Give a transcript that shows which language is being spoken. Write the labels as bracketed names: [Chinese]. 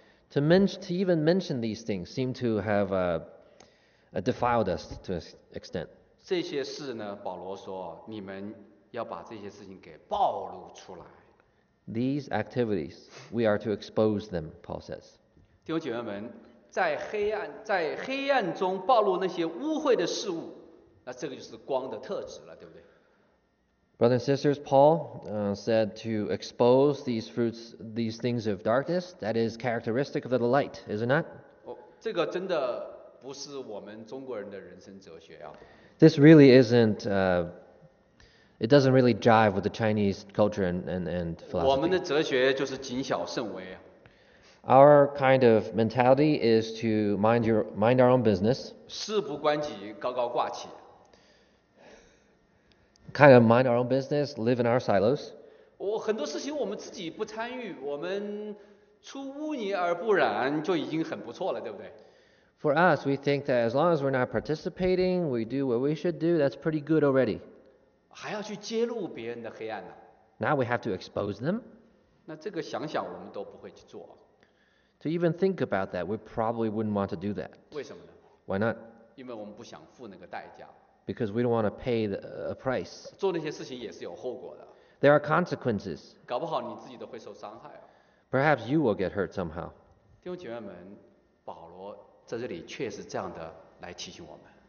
[English] To even mention these things seem to have defiled us to an extent. [Chinese] 这些事呢, 保罗说, 你们 要把这些事情给暴露出来。 [English] These activities, we are to expose them, Paul says. [Chinese] 弟兄姐妹们，在黑暗中暴露那些污秽的事物，那这个就是光的特质了，对不对 [English] ？Brothers and sisters, Paul said to expose these fruits, these things of darkness. That is characteristic of the light, is it not? [Chinese] 哦，这个真的不是我们中国人的人生哲学啊。 [English] This really isn't. It doesn't really jive with the Chinese culture and philosophy. [Chinese] 我们的哲学就是谨小慎微。 [English] Our kind of mentality is to mind our own business. [Chinese] 事不关己，高高挂起。 [English] Kind of mind our own business, live in our silos. [Chinese] 我很多事情我们自己不参与，我们出污泥而不染就已经很不错了，对不对？ [English] For us, we think that as long as we're not participating, we do what we should do, that's pretty good already. [Chinese] 还要去揭露别人的黑暗呢、啊、 [English] Now we have to expose them. [Chinese] 那这个想想我们都不会去做。 [English] To even think about that, we probably wouldn't want to do that. [Chinese] 为什么呢 [English] ？Why not? [Chinese] 因为我们不想付那个代价。 [English] Because we don't want to pay a price. [Chinese] 做那些事情也是有后果的。 [English] There are consequences. [Chinese] 搞不好你自己都会受伤害、啊。 [English] Perhaps you will get hurt somehow. [Chinese] 弟兄姐妹们，保罗在这里确实这样的来提醒我们。